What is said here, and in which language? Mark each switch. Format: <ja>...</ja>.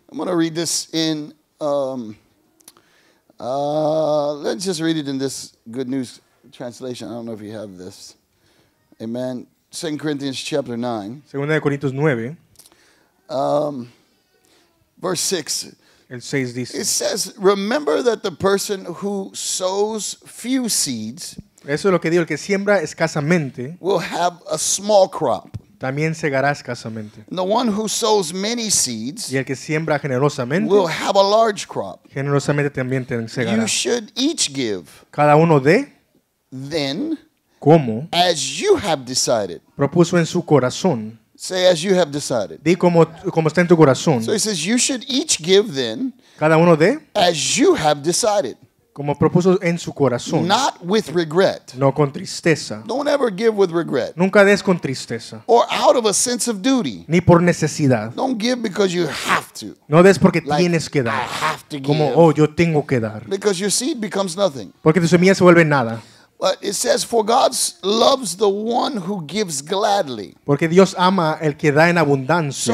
<en>I'm going to read this in let's just read it in this Good News translation. I don't know if you have this. Amen. 2 Corinthians chapter 9.</en> <es>Segunda de Corintios 9.</es> <en>Verse 6.</en> <es>El 6 dice.</es> <en>It says, "Remember that the person who sows few seeds,</en> <es>eso es lo que digo, el que siembra escasamente,</es> <en>will have a small crop."</en> <es>También segará escasamente.</es> <en>The one who sows many seeds,</en> <es>y el que siembra generosamente,</es> <en>will have a large crop.</en> <es>Generosamente también te segará.</es> <en>You should each give.</en> <es>Cada uno dé.</es> <en>Then,</en> <es>¿cómo?</es> <en>As you have decided.</en> <es>Propuso en su corazón.</es> <en>Say as you have decided.</en> <es>Di como está en tu corazón.</es> <en>So he says you should each give then.</en> <es>Cada uno dé.</es> <en>As you have decided.</en> <es>Como propuso en su corazón.</es> <en>Not with regret.</en> <es>No con tristeza.</es> <en>Don't ever give with regret.</en> <es>Nunca des con tristeza.</es> <en>Or out of a sense of duty.</en> <es>Ni por necesidad.</es> <en>Don't give because you have to.</en> <es>No des porque</es> <en>like,</en> <es>tienes que dar.</es> <en>I have to</en> <es>como,</es> <en>give.</en> <es>Oh, yo tengo que dar.</es> <en>Because your seed becomes nothing.</en> <es>Porque tu semilla se vuelve nada.</es> <en>But it says, for God loves the one who gives gladly.</en> <es>Porque Dios ama el que da en abundancia.</es>